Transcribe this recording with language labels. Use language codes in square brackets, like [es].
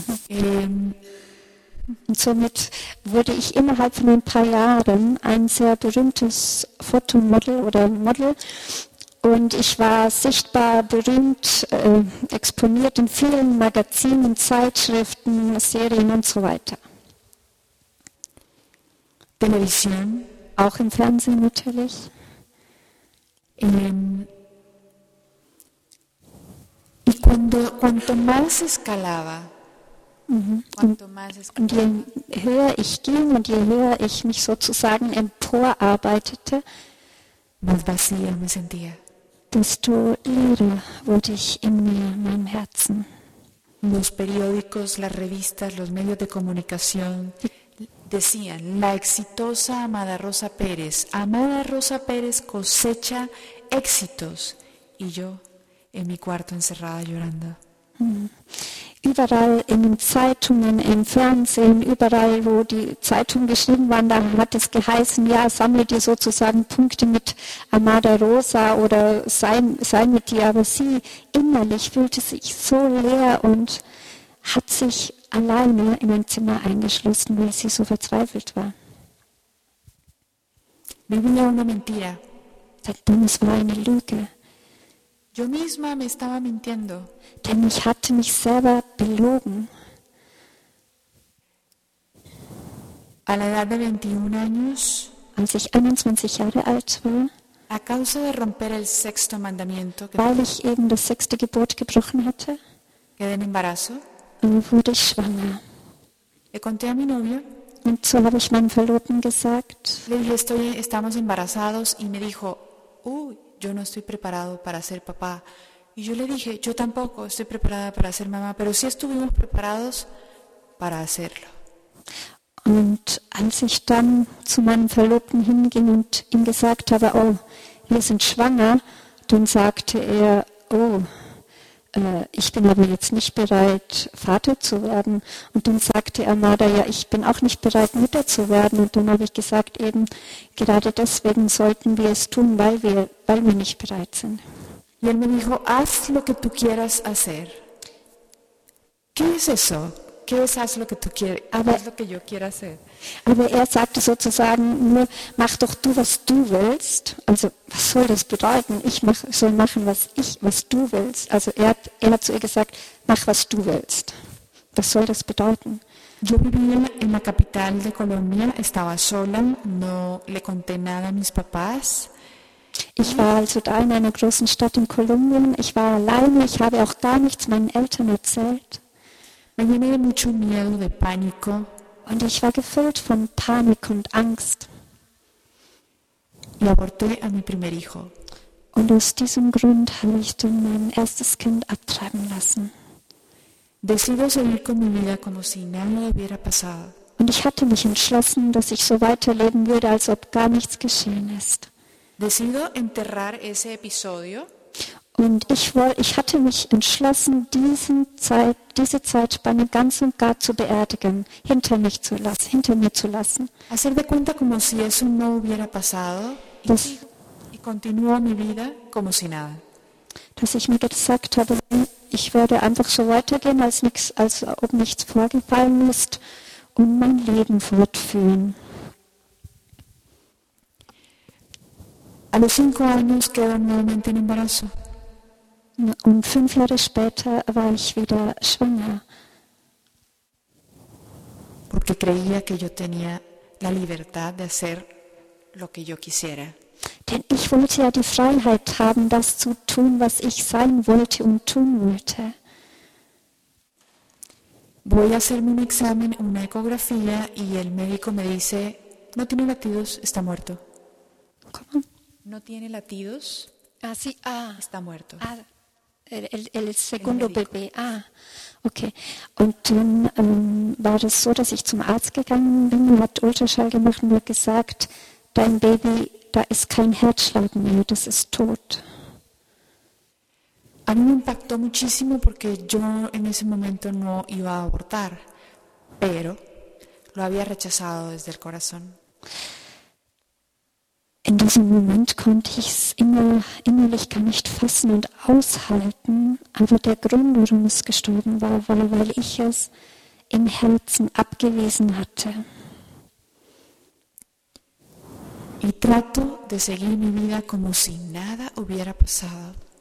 [de] Und somit wurde ich innerhalb von ein paar Jahren ein sehr berühmtes Fotomodel oder Model und ich war sichtbar, berühmt, exponiert in vielen Magazinen, Zeitschriften, Serien und so weiter. [en] Television. [de] Auch im Fernsehen natürlich. [es] Y cuando, cuanto más escalaba, [de] Und je höher ich ging und je höher ich mich sozusagen emporarbeitete, desto leerer wurde ich in mir, in meinem Herzen. [es] Los periódicos, las revistas, los medios de comunicación decían: La exitosa Amada Rosa Pérez. Amada Rosa Pérez cosecha éxitos. Y yo, en mi cuarto encerrada llorando. [de] Überall in den Zeitungen, im Fernsehen, überall, wo die Zeitungen geschrieben waren, da hat es geheißen, ja, sammle dir sozusagen Punkte mit Amada Rosa oder sei mit dir. Aber sie innerlich fühlte sich so leer und hat sich alleine in ein Zimmer eingeschlossen, weil sie so verzweifelt war. Das war eine Lüge. [es] Yo misma me estaba mintiendo. [de] Denn ich hatte mich selber belogen. [es] A la edad de 21 años, [de] als ich 21 Jahre alt war, [es] a causa de romper el sexto mandamiento, [de] weil ich eben das sechste Gebot gebrochen hatte, [es] quedé en embarazo, [de] wurde ich schwanger. [es] Le conté a mi novio, [de] und so habe ich meinem Verlobten gesagt, [es] le dije, estamos embarazados, y me dijo, uy, yo no estoy preparado para ser papá. Y yo le dije, yo tampoco estoy preparada para ser mamá, pero sí estuvimos preparados para hacerlo. [de] Und als ich dann zu meinem Verlobten hinging und ihm gesagt habe, oh, wir sind schwanger, dann sagte er, oh, ich bin aber jetzt nicht bereit, Vater zu werden. Und dann sagte Amada, ja, ich bin auch nicht bereit, Mutter zu werden. Und dann habe ich gesagt, eben gerade deswegen sollten wir es tun, weil wir nicht bereit sind. [es] Y él me dijo, haz lo que tú quieras hacer. ¿Qué es eso? ¿Qué es haz lo que tú quieres? [de] Aber, [es] haz lo que yo quiera hacer. [de] Aber er sagte sozusagen, nur mach doch du, was du willst. Also was soll das bedeuten? Ich soll machen, was du willst. Also er hat zu ihr gesagt, mach, was du willst. Was soll das bedeuten? [es] Yo vivía en la capital de Colombia, estaba sola, no le conté nada a mis papás. [de] Ich war also da in einer großen Stadt in Kolumbien. Ich war alleine, ich habe auch gar nichts meinen Eltern erzählt. [es] Me llené de mucho miedo, de pánico. [de] Und ich war gefüllt von Panik und Angst. [es] Y aborté a mi primer hijo. [de] Und aus diesem Grund habe ich dann mein erstes Kind abtreiben lassen. [es] Decido seguir con mi vida como si nada hubiera pasado. [de] Und ich hatte mich entschlossen, dass ich so weiterleben würde, als ob gar nichts geschehen ist. [es] Decido enterrar ese episodio. [de] Und ich hatte mich entschlossen, diese Zeitspanne ganz und gar zu beerdigen, hinter mir zu lassen. [es] Hacer de cuenta como si eso no hubiera pasado y continuo mi vida como si nada. [de] Dass ich mir gesagt habe, ich werde einfach so weitergehen, als ob nichts vorgefallen ist, und mein Leben fortführen. [es] A los 5 años quedo nuevamente en embarazo. [de] Und 5 Jahre später war ich wieder schwanger. [es] Porque creía que yo tenía la libertad de hacer lo que yo quisiera. [de] Denn ich wollte ja die Freiheit haben, das zu tun, was ich sein wollte und tun wollte. [es] Voy a hacerme un examen, una ecografía, y el médico me dice, no tiene latidos, está muerto. ¿Cómo? No tiene latidos. Ah, sí. Ah, está muerto. Ah, el segundo bebé. Ah, okay. [de] Und dann war das so, dass ich zum Arzt gegangen bin, hat Ultraschall gemacht und mir gesagt, dein Baby, da ist kein Herzschlag mehr, das ist tot. [es] A mí me impactó muchísimo porque yo en ese momento no iba a abortar, pero lo había rechazado desde el corazón. [de] In diesem Moment konnte ich es innerlich gar nicht fassen und aushalten, aber der Grund, warum es gestorben war, war, weil ich es im Herzen abgewiesen hatte. [es] Y trato de seguir mi vida como si nada hubiera pasado.